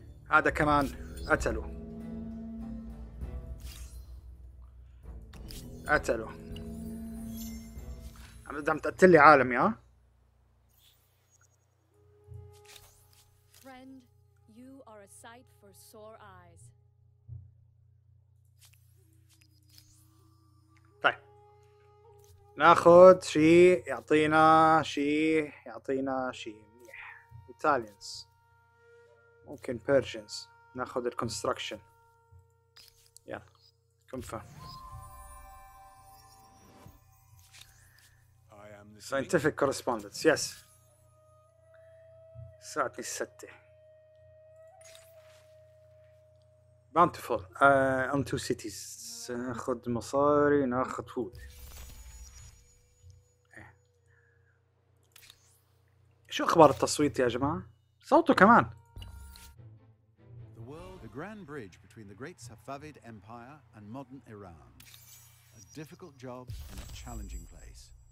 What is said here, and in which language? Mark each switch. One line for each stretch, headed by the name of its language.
Arabic: هذا كمان قتلوا قتلوا. عم تقتل لي عالم يا
English: friend. You are a sight for sore eyes.
Arabic: طيب ناخذ شيء يعطينا شيء يعطينا شيء منيح. Italians ممكن Persians. ناخذ الكونستراكشن يا كونفيرم.
English: Scientific correspondence, yes.
Arabic: ساعتني الستة.
English: Bountiful, on two cities.
Arabic: ناخد مصاري, ناخد food. شو أخبار التصويت يا جماعة؟ صوتوا كمان.
English: The world, the grand bridge between the great Safavid Empire and modern Iran. A difficult job in a challenging place.